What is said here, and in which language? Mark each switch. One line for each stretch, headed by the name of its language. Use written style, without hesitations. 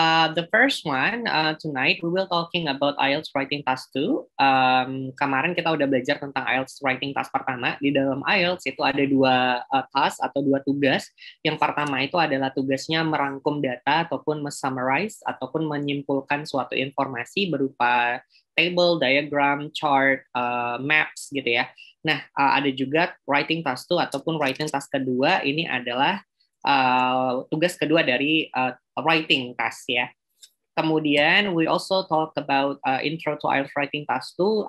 English: The first one, tonight we will talking about IELTS Writing Task 2.
Indonesian: Kemarin kita udah belajar tentang IELTS Writing Task pertama. Di dalam IELTS itu ada dua task atau dua tugas. Yang pertama itu adalah tugasnya merangkum data ataupun summarize ataupun menyimpulkan suatu informasi berupa table, diagram, chart, maps gitu ya. Nah, ada juga Writing Task 2 ataupun Writing Task kedua, ini adalah tugas kedua dari writing task ya. Kemudian
English: we also talk about intro to IELTS writing task 2.